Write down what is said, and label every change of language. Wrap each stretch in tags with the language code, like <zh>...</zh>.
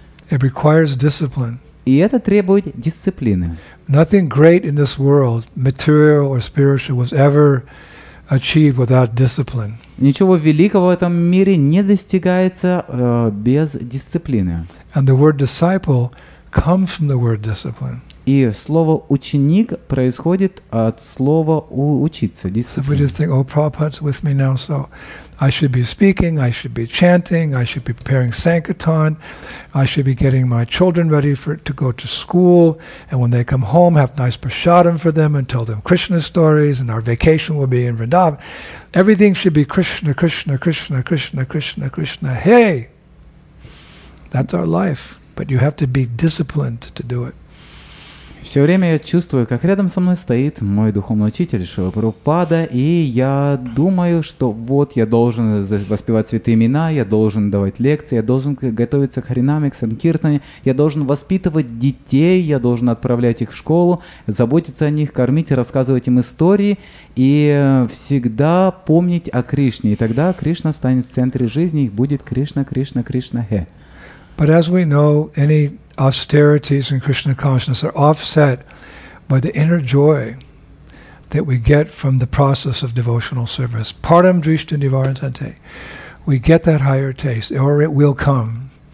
<en>It requires discipline.</en> <ru>И это требует дисциплины.</ru> <en>Nothing great in this world, material or spiritual, was ever achieved without discipline.</en> <ru>Ничего великого в этом мире не достигается без дисциплины.</ru> <en>And the word disciple comes from the word discipline.</en> <ru>И слово ученик происходит от слова учиться, дисциплина.</ru> <en>So we just think, oh, Prabhupada's with me now, so I should be speaking, I should be chanting, I should be preparing sankirtan, I should be getting my children ready to go to school, and when they come home, have nice prasadam for them and tell them Krishna stories, and our vacation will be in Vrindavan. Everything should be Krishna, Krishna, Krishna, Krishna, Krishna, Krishna. Hey! That's our life, but you have to be disciplined to do it.</en> <ru>Все время я чувствую, как рядом со мной стоит мой духовный учитель Шрила Прабхупада, и я думаю, что вот я должен воспевать святые имена, я должен давать лекции, я должен готовиться к харинаме, к санкиртане, я должен воспитывать детей, я должен отправлять их в школу, заботиться о них, кормить, рассказывать им истории и всегда помнить о Кришне. И тогда Кришна станет в центре жизни, и будет Кришна, Кришна, Кришна, Хе.</ru> <en>But as we know, any austerities in Krishna consciousness are offset by the inner joy that we get from the process of devotional service.</en> <sa>Param drishta nivarantante.</sa> <en>We get that higher taste, or it will come.</en>